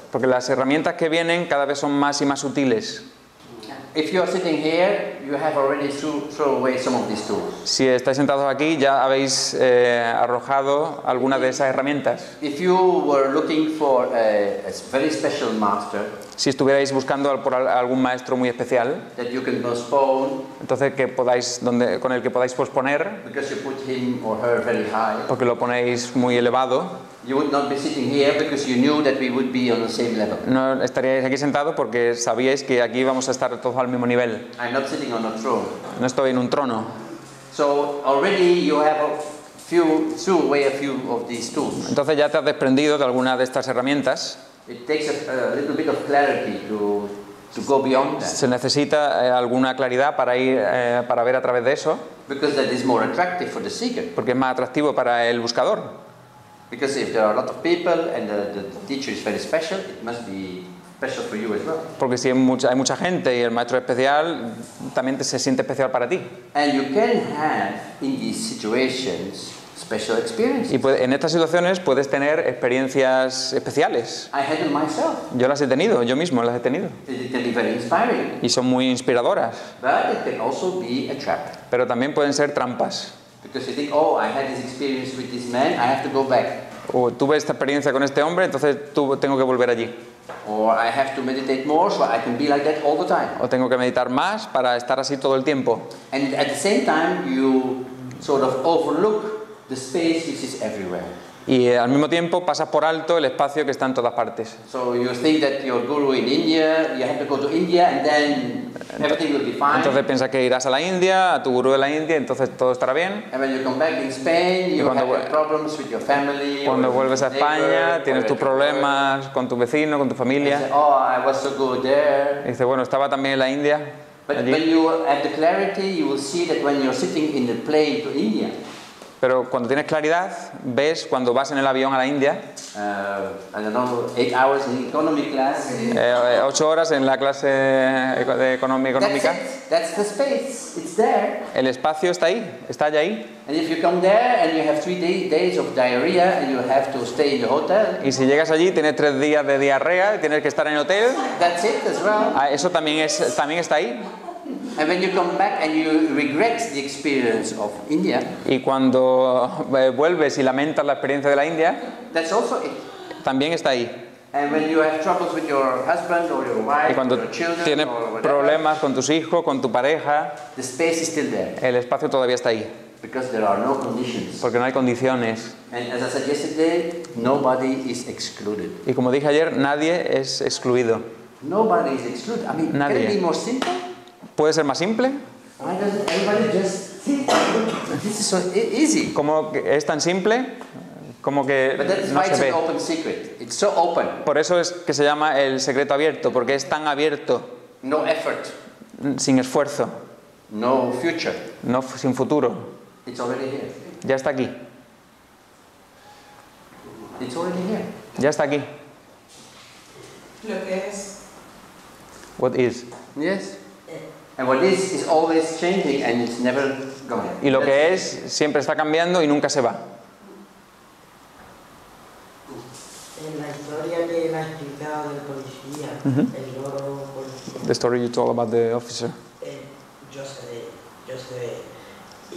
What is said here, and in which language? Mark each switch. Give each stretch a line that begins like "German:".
Spanish: Porque las herramientas que vienen cada vez son más y más sutiles.
English: If you are sitting here, you have already thrown away some of these tools.
Spanish: Si estáis sentados aquí, ya habéis arrojado alguna de esas herramientas.
English: If you were looking for a very special master,
Spanish: si estuvierais buscando por algún maestro muy especial,
English: that you can postpone,
Spanish: entonces que podáis donde con el que podáis posponer,
English: because you put him or her very high,
Spanish: porque lo ponéis muy elevado.
English: You would not be sitting here because you knew that we would be on the same level.
Spanish: No estaríais aquí sentado porque sabíais que aquí vamos a estar todos al mismo nivel.
English: I'm not sitting on a throne.
Spanish: No estoy en un trono.
English: So already you have a few of these tools.
Spanish: Entonces ya te has desprendido de alguna de estas herramientas.
English: It takes a little bit of clarity to go beyond that.
Spanish: Se necesita alguna claridad para ir para ver a través de eso.
English: Because that is more attractive for the seeker.
Spanish: Porque es más atractivo para el buscador.
English: Because if there are a lot of people and the teacher is very special, it must be special for you as well.
Spanish: Porque si hay mucha gente y el maestro es especial, también se siente especial para ti.
English: And you can have in these situations special experiences.
Spanish: Y en estas situaciones puedes tener experiencias especiales.
English: I had them myself.
Spanish: Yo las he tenido, yo mismo las he tenido.
English: It can be very inspiring.
Spanish: Y son muy inspiradoras.
English: But it can also be a trap.
Spanish: Pero también pueden ser trampas.
English: Because you think, oh, I had this experience with this man, I have to go back.
Spanish: Oh, tuve esta experiencia con este hombre, entonces tengo que volver allí.
English: Or I have to meditate more so I can be like that all the time.
Spanish: O tengo que meditar más para estar así todo el tiempo.
English: And at the same time you sort of overlook the space which is everywhere.
Spanish: Y al mismo tiempo pasas por alto el espacio que está en todas partes.
English: So you think that your guru in India, you have to go to India and then everything will be fine.
Spanish: Entonces piensas que irás a la India, a tu gurú de la India, entonces todo estará bien.
English: And when you come back in Spain, you have problems with your family.
Spanish: Cuando vuelves a España, tienes tus problemas con tu vecino, con tu familia.
English: Oh, I was so good there.
Spanish: Dice, bueno, estaba también en la India.
English: But when you have the clarity, you will see that when you're sitting in the plane to India.
Spanish: Pero cuando tienes claridad, ves cuando vas en el avión a la India.
English: I don't know, 8 hours in economy class.
Spanish: 8 horas en la clase de económica.
English: That's the space. It's there.
Spanish: El espacio está ahí, está allá ahí.
English: And if you come there and you have 3 days of diarrhea and you have to stay in the hotel.
Spanish: Y si llegas allí, tienes 3 días de diarrea, tienes que estar en el hotel.
English: That's it as well.
Spanish: Eso también está ahí.
English: And when you come back and you regret the experience of India.
Spanish: Y cuando vuelves y lamentas la experiencia de la India.
English: That's also it.
Spanish: También está ahí.
English: And when you have troubles with your husband or your wife,
Spanish: y cuando
English: or your children,
Spanish: tienes
English: or whatever,
Spanish: problemas con tus hijos, con tu pareja.
English: The space is still there.
Spanish: El espacio todavía está ahí.
English: Because there are no conditions.
Spanish: Porque no hay condiciones.
English: And as I said yesterday, nobody is excluded.
Spanish: Y como dije ayer, nadie es excluido.
English: Nobody is excluded. I mean,
Spanish: nadie.
English: Can it be more simple?
Spanish: ¿Puede ser más simple?
English: Why doesn't everybody just think this is so easy?
Spanish: ¿Cómo es tan simple? Como que
English: but that is
Spanish: no
English: why
Spanish: se
English: it's
Spanish: ve.
English: An open secret. It's so open.
Spanish: Por eso es que se llama el secreto abierto, porque es tan abierto.
English: No effort.
Spanish: Sin esfuerzo.
English: No future.
Spanish: No, sin futuro.
English: It's already here.
Spanish: Ya está aquí.
English: It's already here.
Spanish: Ya está aquí. Lo que es.
English: What is. Yes. And what is always changing and it's never going.
Spanish: Y lo que es siempre está cambiando y nunca se va. En la historia que me ha explicado del policía, el loro policía.
English: The story you told about the officer.
Spanish: Yo sé.